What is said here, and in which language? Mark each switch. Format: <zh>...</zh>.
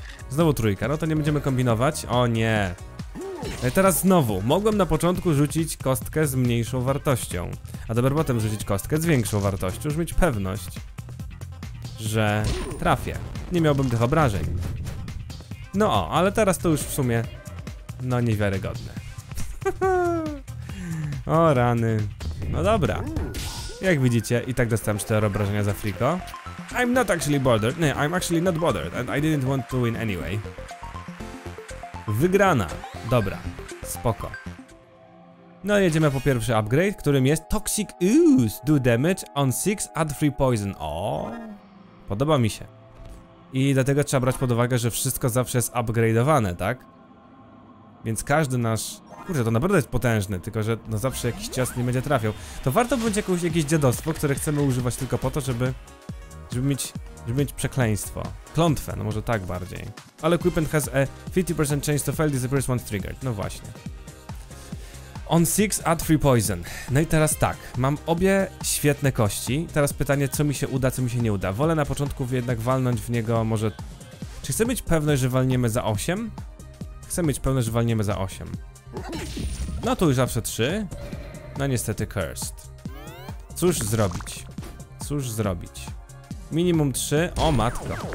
<pl>Znowu trójka, no to nie będziemy kombinować. O nie! No i teraz znowu, mogłem na początku rzucić kostkę z mniejszą wartością, a dopiero potem rzucić kostkę z większą wartością, już mieć pewność, że trafię. Nie miałbym tych obrażeń. No o, ale teraz to już w sumie, no niewiarygodne. O rany. No dobra. Jak widzicie, i tak dostałem 4 obrażenia za Friko.</pl> <en>I'm not actually bothered. No, I'm actually not bothered. And I didn't want to win anyway.</en> <pl>Wygrana. Dobra. Spoko. No jedziemy po pierwszy upgrade, którym jest Toxic Ooze.</pl> <en>Do damage on 6, add 3 poison.</en> <pl>O, podoba mi się. I dlatego trzeba brać pod uwagę, że wszystko zawsze jest upgrade'owane, tak? Więc każdy nasz... Kurczę, to naprawdę jest potężny, tylko że no zawsze jakiś cios nie będzie trafiał. To warto być jakieś dziadostwo, które chcemy używać tylko po to, żeby mieć przekleństwo. Klątwę, no może tak bardziej.</pl> <en>All equipment has a 50% chance to fail, disappears once triggered.</en> <pl>No właśnie.</pl> <en>On 6, add 3 poison.</en> <pl>No i teraz tak, mam obie świetne kości. Teraz pytanie, co mi się uda, co mi się nie uda. Wolę na początku jednak walnąć w niego może... Czy chcę mieć pewność, że walniemy za 8? Chcę mieć pewność, że walniemy za 8. No to już zawsze 3. No niestety cursed. Cóż zrobić? Cóż zrobić? Minimum 3. O matko.</pl>